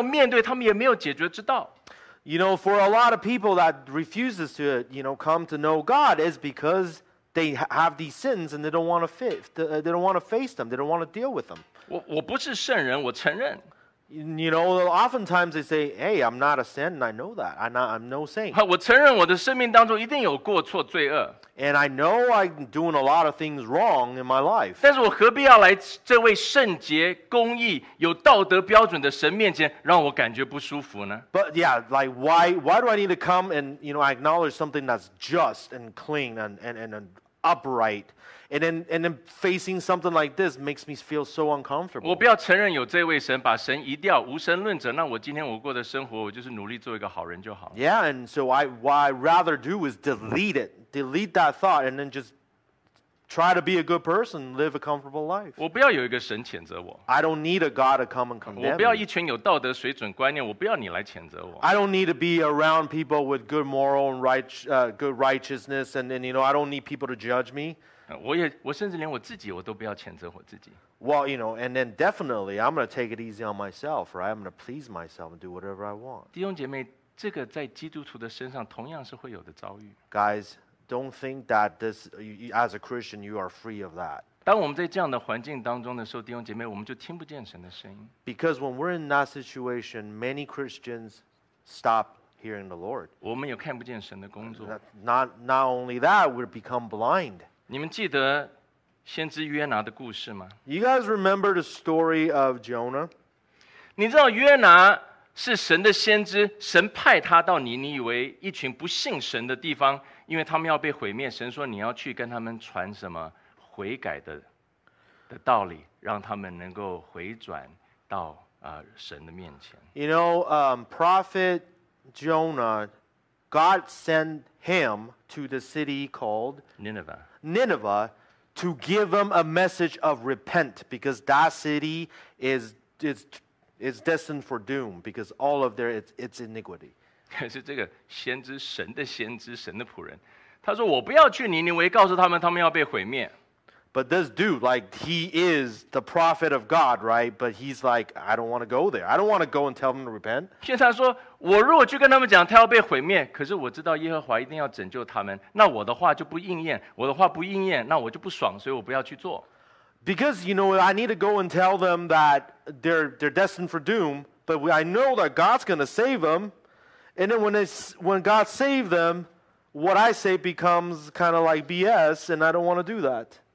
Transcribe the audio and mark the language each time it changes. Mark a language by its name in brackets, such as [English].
[Chinese] 今天不愿意信耶稣、认识神的爱和救恩的人，就是不愿意去面对他们的罪恶。就算他们要面对，他们也没有解决之道。 [English] You know, for a lot of people that refuses to, you know, come to know God is because they have these sins and they don't want to face them. They don't want to deal with them. [Chinese] 我不是圣人，我承认。 [English] You know, oftentimes they say, hey, I'm not a saint, and I know that. I'm no saint. [Chinese] 我承认我的生命当中一定有过错罪恶。 [English] And I know I'm doing a lot of things wrong in my life. [Chinese] 但是我何必要来这位圣洁、公义、有道德标准的神面前，让我感觉不舒服呢? [English] But yeah, like why do I need to come and, you know, acknowledge something that's just and clean and upright? And then facing something like this makes me feel so uncomfortable. [Chinese] 我不要承认有这位神，把神移掉，无神论者。那我今天我过的生活，我就是努力做一个好人就好。 [English] Yeah, and so what I'd rather do is delete that thought, and then just try to be a good person, live a comfortable life. [Chinese] 我不要有一个神谴责我。 [English] I don't need a God to come and condemn me. [Chinese] 我不要一群有道德水准观念，我不要你来谴责我。 [English] I don't need to be around people with good moral and right, good righteousness, and you know, I don't need people to judge me. [Chinese] 我甚至连我自己我都不要谴责我自己。 [English] Well, you know, and then definitely, I'm going to take it easy on myself, right? I'm going to please myself and do whatever I want. [Chinese] 弟兄姐妹，这个在基督徒的身上同样是会有的遭遇。 [English] Guys. Don't think that this, as a Christian, you are free of that. [Chinese] 当我们在这样的环境当中的时候，弟兄姐妹，我们就听不见神的声音。 [English] Because when we're in that situation, many Christians stop hearing the Lord. [Chinese] 我们也看不见神的工作。 [English] Not only that, we become blind. [Chinese] 你们记得先知约拿的故事吗？ [English] You guys remember the story of Jonah? [Chinese] 你知道约拿是神的先知，神派他到尼尼微一群不信神的地方。因为他们要被毁灭，神说你要去跟他们传什么悔改 的道理，让他们能够回转到、神的面前。 [English] You know, Prophet Jonah, God sent him to the city called Nineveh. Nineveh to give him a message of repent, because that city is destined for doom, because all of their its iniquity. [Chinese] 可是这个先知，神的先知，神的仆人，他说：“我不要去尼尼微，告诉他们，他们要被毁灭。” [English] But this dude, like he is the prophet of God, right? But he's like, I don't want to go there. I don't want to go and tell them to repent. [Chinese] 因为他说，我如果去跟他们讲，他要被毁灭，可是我知道耶和华一定要拯救他们，那我的话就不应验，我的话不应验，那我就不爽，所以我不要去做。 [English] Because you know, I need to go and tell them that they're destined for doom, but I know that God's going to save them. And then when God saved them, what I say becomes kind of like BS, and I don't want to do that.